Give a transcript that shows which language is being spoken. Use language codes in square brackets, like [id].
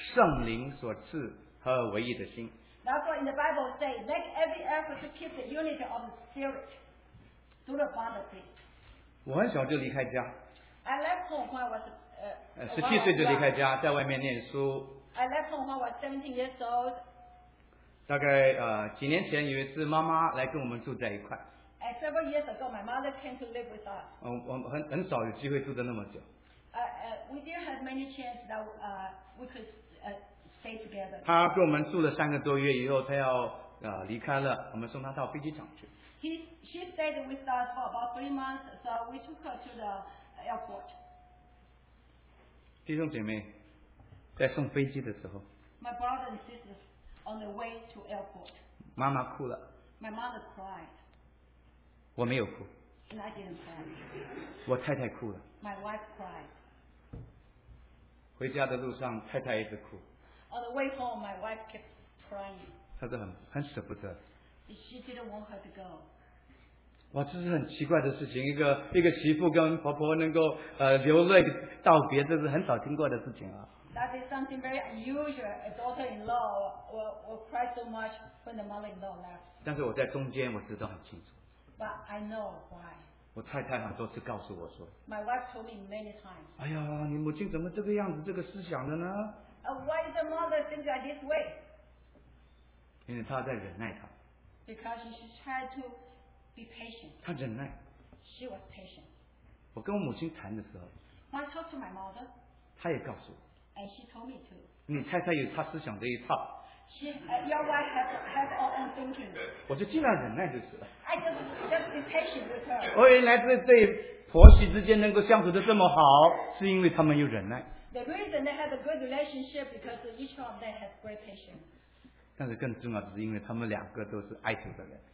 [zh] 所以圣经告诉我们说要竭力保守圣灵所赐和唯一的心。 [en] That's what in the Bible say, make every effort to keep the unity of the spirit through the Father's faith. [zh] 我很小就离开家。 [en] I left home when I was [zh] 17岁就离开家, 在外面念书。 [en] I left home when I was 17 years old. [zh] 大概几年前有一次妈妈来跟我们住在一块。 [en] Several years ago, my mother came to live with us. [zh] 我们很少有机会住得那么久。 [en] We didn't have many chances that we could stay together. [zh] 她跟我们住了3个多月以后，她要离开了，我们送她到飞机场去。 [en] She stayed with us for about 3 months, so we took her to the airport. [zh] 弟兄姐妹，在送飞机的时候。 [en] My brother and sisters. On the way to airport. [zh] 妈妈哭了。 [en] My mother cried. [zh] 我没有哭。 [en] And I didn't cry. [zh] 我太太哭了。 [en] My wife cried. [zh] 回家的路上，太太一直哭。 [en] On the way home, my wife kept crying. [zh] 她都很舍不得。 [en] She didn't want her to go. [zh] 哇，这是很奇怪的事情，一个媳妇跟婆婆能够流泪道别，这是很少听过的事情啊。 [en] That is something very unusual. A daughter-in-law will cry so much when the mother-in-law left. [zh] 但是我在中间，我知道很清楚。 [en] But I know why. [zh] 我太太很多次告诉我说。 [en] My wife told me many times. [zh] 哎呀，你母亲怎么这个样子，这个思想的呢？ [en] Why is the mother think like this way? [zh] 因为她在忍耐她。 [en] Because she tried to be patient. [zh] 她忍耐。 [en] She was patient. [zh] 我跟我母亲谈的时候。 [en] When I talked to my mother. [zh] 她也告诉我。 [en] And she told me to. [zh] 你太太有她思想的一套。 [en] Your wife has her own thinking. [zh] 我就尽量忍耐就是了。 [en] I just be patient with her. [zh] 我原来这对婆媳之间能够相处的这么好，是因为他们有忍耐。 [en] The reason they have a good relationship because each of them has great patience. [zh] 但是更重要的是因为他们两个都是爱主的人。